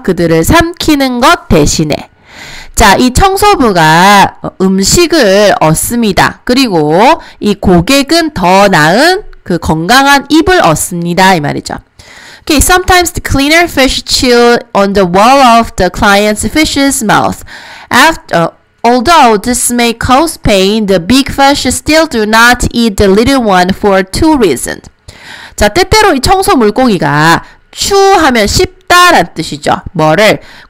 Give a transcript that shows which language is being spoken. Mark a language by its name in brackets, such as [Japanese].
[Korean] 그들을 삼키는 것 대신에. 자, 이 청소부가 음식을 얻습니다. 그리고 이 고객은 더 나은 그 건강한 입을 얻습니다. 이 말이죠. [English] Okay, sometimes the cleaner fish chew on the wall of the client's fish's mouth. Although this may cause pain, the big fish still do not eat the little one for two reasons. [Korean] 자, 때때로 이 청소 물고기가 추하면 씹다란 뜻이죠. 뭐를?